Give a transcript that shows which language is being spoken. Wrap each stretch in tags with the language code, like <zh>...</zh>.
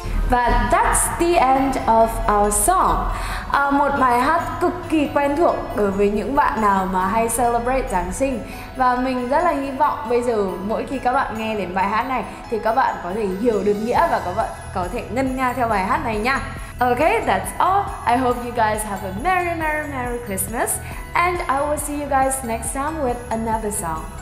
<en>Và that's the end of our song.</en> <vi>Một bài hát cực kỳ quen thuộc đối với những bạn nào mà hay celebrate Giáng sinh. Và mình rất là hy vọng bây giờ mỗi khi các bạn nghe đến bài hát này, thì các bạn có thể hiểu được nghĩa và các bạn có thể ngân nga theo bài hát này nha.</vi> <en>Okay, that's all. I hope you guys have a merry, merry, merry Christmas. And I will see you guys next time with another song.</en>